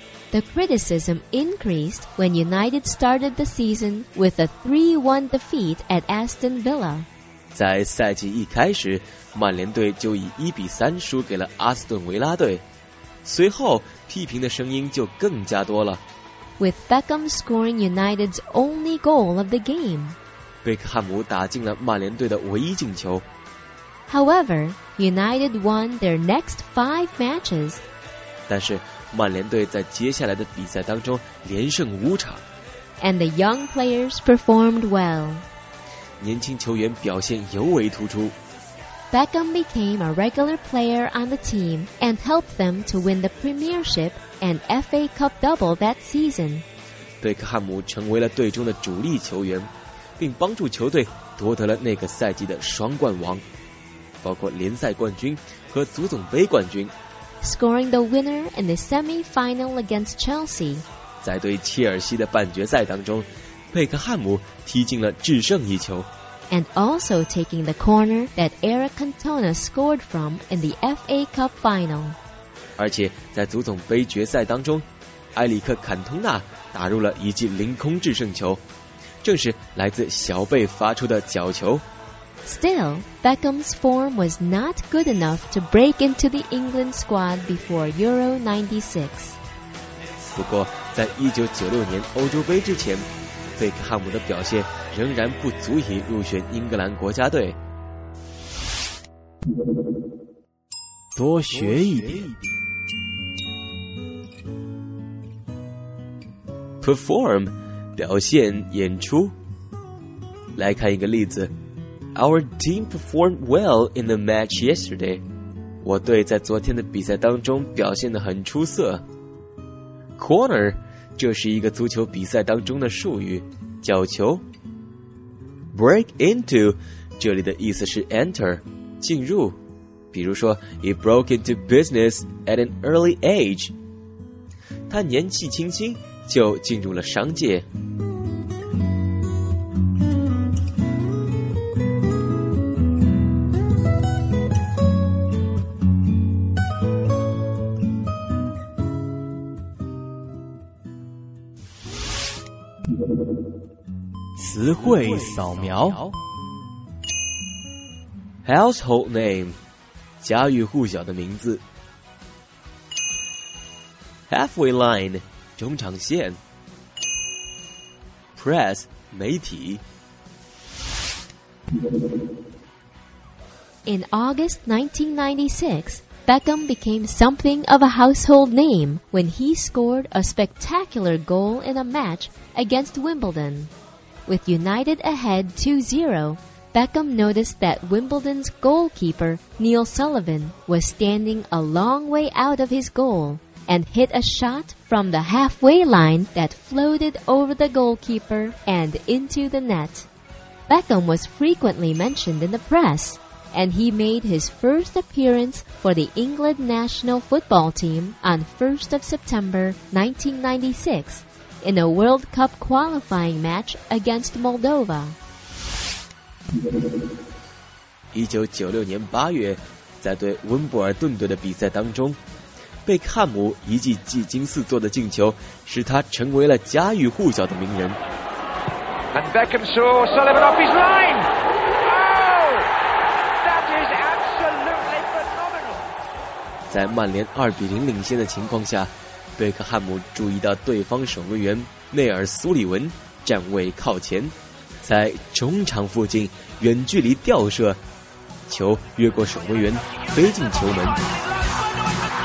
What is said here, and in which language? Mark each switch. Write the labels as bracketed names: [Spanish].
[English] The criticism increased when United started the season with a 3-1 defeat at Aston Villa. [Chinese] 在赛季一开始，曼联队就以1-3输给了阿斯顿维拉队，随后批评的声音就更加多了。 [English] With Beckham scoring United's only goal of the game, [Chinese] 贝克汉姆打进了曼联队的唯一进球。 [English] However, United won their next 5 matches. [Chinese] 但是曼联队在接下来的比赛当中连胜5场。 [English] And the young players performed well. [Chinese] 年轻球员表现尤为突出。 [English] Beckham became a regular player on the team and helped them to win the Premiership and FA Cup double that season. [Chinese] 贝克汉姆成为了队中的主力球员，并帮助球队夺得了那个赛季的双冠王，包括联赛冠军和足总杯冠军。 [English] Scoring the winner in the semi-final against Chelsea. [Chinese] 在对切尔西的半决赛当中，贝克汉姆踢进了制胜一球。 [English] And also taking the corner that Eric Cantona scored from in the FA Cup final. [Chinese] 而且在足总杯决赛当中，埃里克·坎通纳打入了一记凌空制胜球，正是来自小贝发出的角球。 [English] Still, Beckham's form was not good enough to break into the England squad before Euro 96. [Chinese] 不过，在1996年欧洲杯之前，贝克汉姆的表现仍然不足以入选英格兰国家队。多学一点。 Perform, 表现演出。来看一个例子。 [English] Our team performed well in the match yesterday. [Chinese] 我队在昨天的比赛当中表现得很出色。 Corner, 这是一个足球比赛当中的术语，角球。 Break into, 这里的意思是 enter, 进入。比如说 [English] ,he broke into business at an early age. [Chinese] 他年纪轻轻就进入了商界。词汇扫描。 Household name, 家喻户晓的名字。 Halfway line, 中场线。 Press, 媒体。 [English] In August 1996, Beckham became something of a household name when he scored a spectacular goal in a match against Wimbledon. With United ahead 2-0, Beckham noticed that Wimbledon's goalkeeper, Neil Sullivan, was standing a long way out of his goal, and hit a shot from the halfway line that floated over the goalkeeper and into the net. Beckham was frequently mentioned in the press, and he made his first appearance for the England national football team on 1st of September 1996 in a World Cup qualifying match against Moldova. [Chinese] 1996年8月，在对温布尔顿队的比赛当中，贝克汉姆一记技惊四座的进球使他成为了家喻户晓的名人。 [English] And Beckham saw Sullivan off his line. Oh! That is absolutely phenomenal. [Chinese] 在曼联2-0领先的情况下，贝克汉姆注意到对方守门员内尔苏里文站位靠前，在中场附近远距离吊射，球越过守门员飞进球门。